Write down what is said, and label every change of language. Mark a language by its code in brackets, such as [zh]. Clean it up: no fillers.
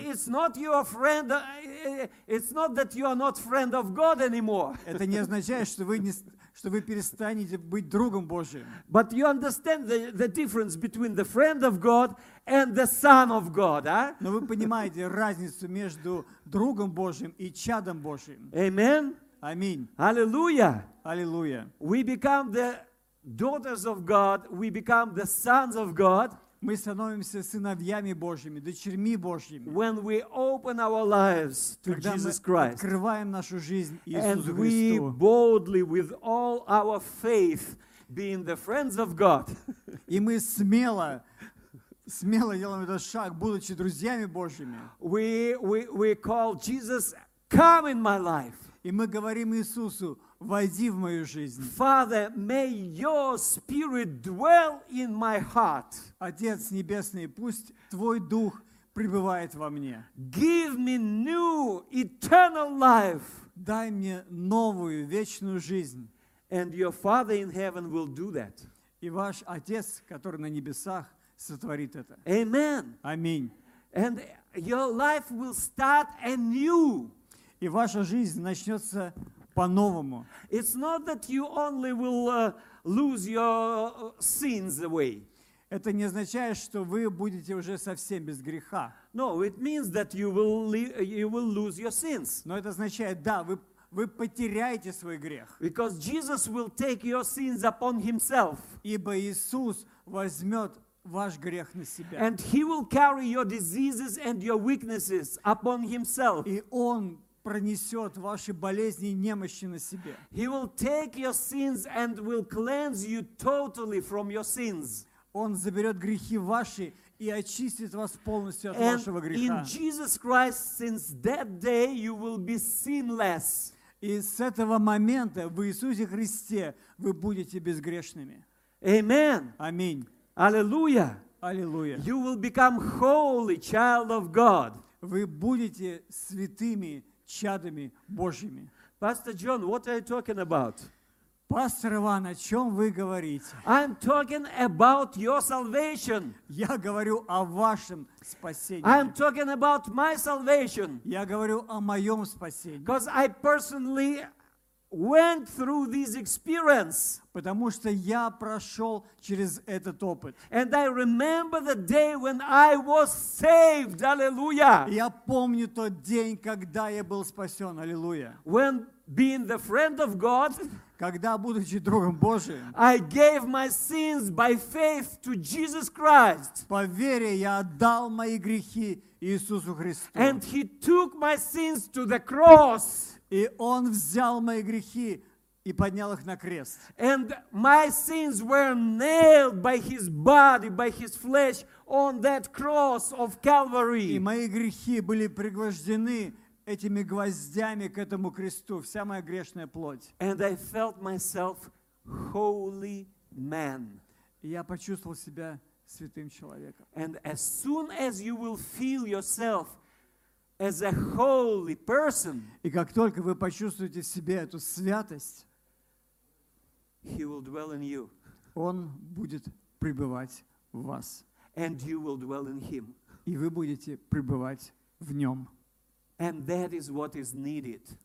[en] It's not your friend. It's not that you are not friend of God anymore. [ru] Это не означает, что вы не, что вы перестанете быть другом Божиим. [en] But you understand the difference between the friend of God and the son of God, а? [ru] Но вы понимаете разницу между другом Божиим и чадом Божиим. [en] Amen. [ru] Аминь. [en] Hallelujah. Hallelujah. We become the daughters of God. We become the sons of God. [ru] Мы становимся сыновьями Божьими, дочерьми Божьими. [en] When we open our lives to Jesus Christ, [ru] когда мы открываем нашу жизнь Иисусу Христу, and [en] we boldly with all our faith being the friends of God, [ru] и мы смело делаем этот шаг, будучи друзьями Божьими. [en] We call Jesus, come in my life. [ru] И мы говорим Иисусу, войди в мою жизнь. [en] Father, may your spirit dwell in my heart. [ru] Отец Небесный, пусть Твой Дух пребывает во мне. [en] Give me new eternal life. [ru] Дай мне новую, вечную жизнь. [en] And your Father in heaven will do that. [ru] И ваш Отец, который на небесах, сотворит это. [en] Amen. [ru] Аминь. [en] And your life will start anew. [ru] И ваша жизнь начнется по-новому. [en] It's not that you only will lose your sins away. [ru] Это не означает, что вы будете уже совсем без греха. [en] No, it means that you will lose your sins. [ru] Но это означает, да, вы потеряете свой грех. [en] Because Jesus will take your sins upon himself. [ru] Ибо Иисус возьмет ваш грех на себя. [en] And he will carry your diseases and your weaknesses upon himself. [ru] И он пронесет ваши болезни и немощи на себе. [en] He will take your sins and will cleanse you totally from your sins. [ru] Он заберет грехи ваши и очистит вас полностью от [en] and [ru] вашего греха. [en] In Jesus Christ, since that day you will be sinless. [ru] И с этого момента в Иисусе Христе вы будете безгрешными. [en] Amen. [ru] Аминь. [en] Alleluia. Alleluia. You will become holy child of God. [ru] Вы будете святыми чадами Божьими. [en] Pastor John, what are you talking about? [ru] Пастор Иван, о чем вы говорите? [en] I'm talking about your salvation. [ru] Я говорю о вашем спасении. [en] I'm talking about my salvation. [ru] Я говорю о моем спасении. [en] Because I personally went through this experience. [ru] Потому что я прошел через этот опыт. [en] And I remember the day when I was saved. Hallelujah. [ru] Я помню тот день, когда я был спасен. [en] Hallelujah. When being the friend of God, [ru] когда будучи другом Божиим, [en] I gave my sins by faith to Jesus Christ. [ru] По вере я отдал мои грехи Иисусу Христу. [en] And he took my sins to the cross. [ru] И он взял мои грехи и поднял их на крест. [en] And my sins were nailed by his body, by his flesh on that cross of Calvary. [ru] И мои грехи были пригвождены этими гвоздями к этому кресту, вся моя грешная плоть. [en] And I felt myself holy man. [ru] И я почувствовал себя святым человеком. [en] And as soon as you will feel yourself as a holy person, [ru] и как только вы почувствуете в себе эту святость, [en] he will dwell in you. [ru] Он будет пребывать в вас. [en] And you will dwell in him. [ru] И вы будете пребывать в нем. [en] And that is what is needed.